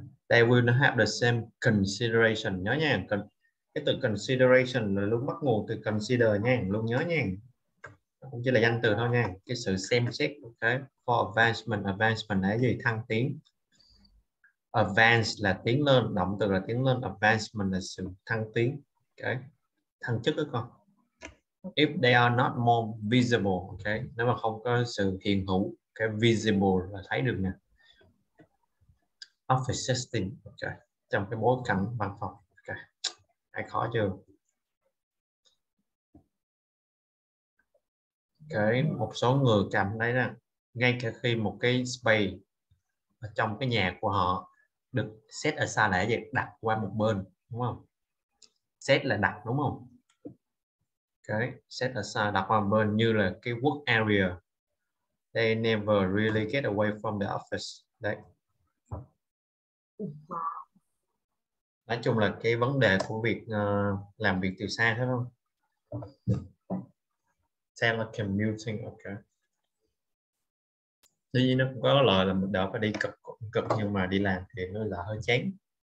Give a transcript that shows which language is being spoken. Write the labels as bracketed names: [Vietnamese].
[English] They will not have the same consideration, [Vietnamese] nhớ nha. Cái từ consideration là luôn bắt nguồn từ consider nha, luôn nhớ nha. Cũng chỉ là danh từ thôi nha, cái sự xem xét, ok. For advancement là gì? Thăng tiến. Advance là tiến lên, động từ là tiến lên, advancement là sự thăng tiến, ok. Thăng chức đó con. [English] If they are not more visible, [Vietnamese] ok, nếu mà không có sự hiện hữu, cái visible là thấy được nè. Office setting, ok, trong cái bối cảnh văn phòng, ok, hay khó chưa? Okay. Một số người cảm thấy rằng ngay cả khi một cái space ở trong cái nhà của họ được set ở xa lẻ vậy, đặt qua một bên, đúng không? Set là đặt, đúng không? Cái okay. Set aside đặt qua bên như là cái work area. [English] They never really get away from the office. [Vietnamese] Đấy. Nói chung là cái vấn đề của việc làm việc từ xa thôi. [English] Telecommuting, ok. [Vietnamese] Tuy nhiên nó cũng có lợi là mình đỡ phải đi cực cực nhưng mà đi làm thì nó là hơi chán.